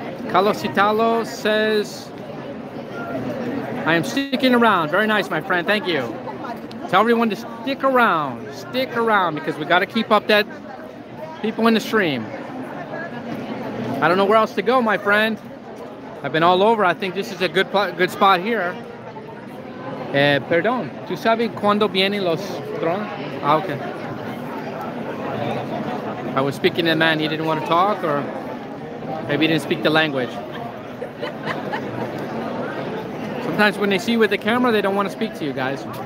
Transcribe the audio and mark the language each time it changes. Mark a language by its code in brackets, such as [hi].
[en] Carlos Italo says, I am sticking around. Very nice, my friend. Thank you. Tell everyone to stick around, because we got to keep up that people in the stream. I don't know where else to go, my friend. I've been all over. I think this is a good spot here. [es] Perdón. ¿Tú sabes cuándo vienen los drones? Ah, okay. [en] I was speaking to the man. He didn't want to talk, or... maybe he didn't speak the language. Sometimes when they see you with the camera, they don't want to speak to you, guys.